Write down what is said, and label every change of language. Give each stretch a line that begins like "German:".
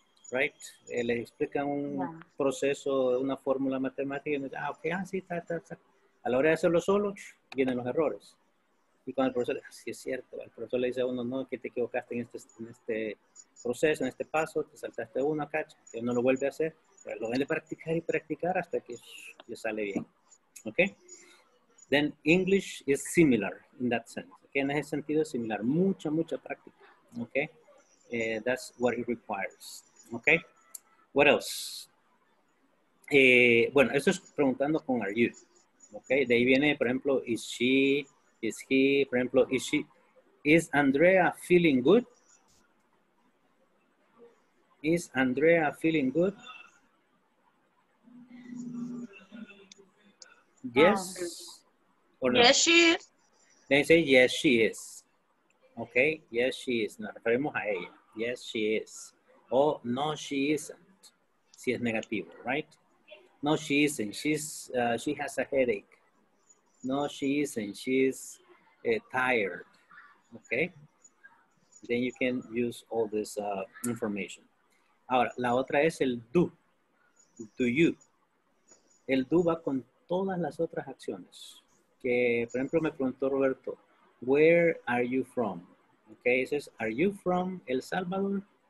Spanish: Right, le explican un proceso, una fórmula matemática, y me dice, ah, ok, ah, sí, ta, ta, ta. A la hora de hacerlo solo, vienen los errores. Y cuando el profesor, ah, sí, es cierto, el profesor le dice a uno, no, que te equivocaste en este proceso, en este paso, te saltaste uno acá, que no lo vuelve a hacer, pero lo viene a practicar y practicar hasta que le sale bien.
English: Ok, then English is similar in that sense. Okay?
Spanish: En ese sentido es similar, mucha, mucha práctica.
English: Ok, that's what it requires. Okay, what else?
Spanish: Bueno, esto es preguntando con are you. Okay, de ahí viene, por ejemplo,
English: is she, is he,
Spanish: por ejemplo,
English: is she, is Andrea feeling good? Is Andrea feeling good? Yes or no? Yes, she is. They say yes, she is. Okay, yes, she is.
Spanish: Nos referimos a ella.
English: Yes, she is. Oh, no, she isn't.
Spanish: Si es negativo,
English: right? No, she isn't. She has a headache. No, she isn't. She's tired. Okay? Then you can use all this information.
Spanish: Ahora, la otra es el do.
English: Do you.
Spanish: El do va con todas las otras acciones. Que, por ejemplo, me preguntó Roberto,
English: where are you from? Okay, it says, are you from El Salvador?